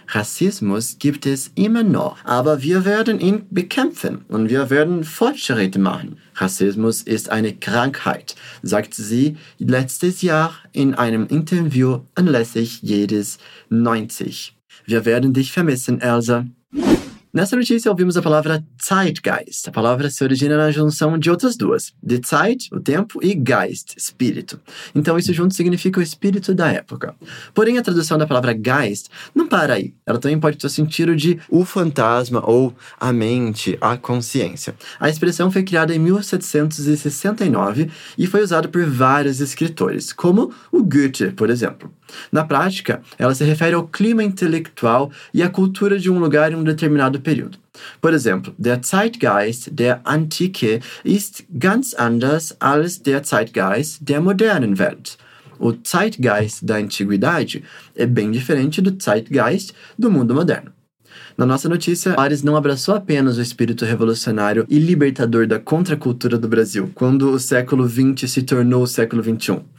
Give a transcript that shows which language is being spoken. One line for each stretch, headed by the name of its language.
German: Rassismus gibt es immer noch, aber wir werden ihn bekämpfen und wir werden Fortschritte machen. Rassismus ist eine Krankheit, sagte sie letztes Jahr in einem Interview anlässlich jedes 90. Wir werden dich vermissen, Elsa.
Portuguese: Nessa notícia ouvimos a palavra Zeitgeist. A palavra se origina na junção de outras duas. De Zeit, o tempo, e Geist, espírito. Então isso junto significa o espírito da época. Porém, a tradução da palavra Geist não para aí. Ela também pode ter o sentido de o fantasma ou a mente, a consciência. A expressão foi criada em 1769 e foi usada por vários escritores, como o Goethe, por exemplo. Na prática, ela se refere ao clima intelectual e à cultura de um lugar em um determinado período. Por exemplo,
German: der Zeitgeist der Antike ist ganz anders als der Zeitgeist der modernen Welt.
Portuguese: O Zeitgeist da antiguidade é bem diferente do Zeitgeist do mundo moderno. Na nossa notícia, Ares não abraçou apenas o espírito revolucionário e libertador da contracultura do Brasil quando o século XX se tornou o século XXI.